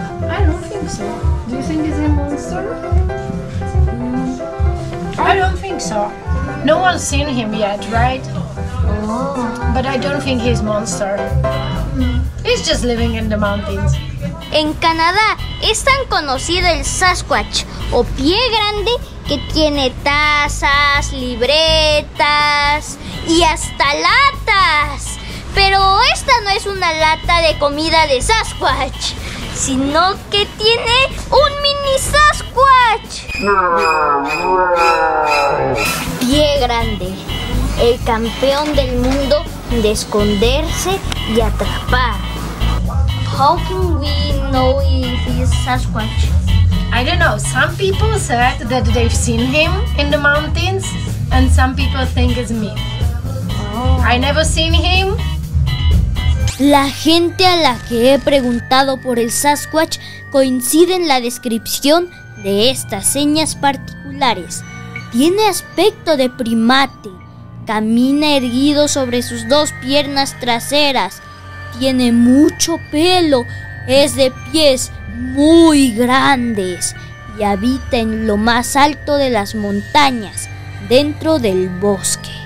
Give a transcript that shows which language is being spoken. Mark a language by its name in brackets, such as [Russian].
[English] I don't think so. Do you think he's a monster? I don't think so. No one's seen him yet, right? Oh. But I don't think he's a monster. He's just living in the mountains. [Spanish] En Canadá es tan conocido el Sasquatch, o pie grande, que tiene tazas, libretas y hasta latas. Pero esta no es una lata de comida de Sasquatch, sino que tiene un mini Sasquatch. Pie grande, el campeón del mundo de esconderse y atrapar. [English] How can we know if he's Sasquatch? I don't know, some people said that they've seen him in the mountains and some people think it's me. Oh. I never seen him. [Spanish] La gente a la que he preguntado por el Sasquatch coincide en la descripción de estas señas particulares. Tiene aspecto de primate, camina erguido sobre sus dos piernas traseras, tiene mucho pelo, es de pies muy grandes y habita en lo más alto de las montañas, dentro del bosque.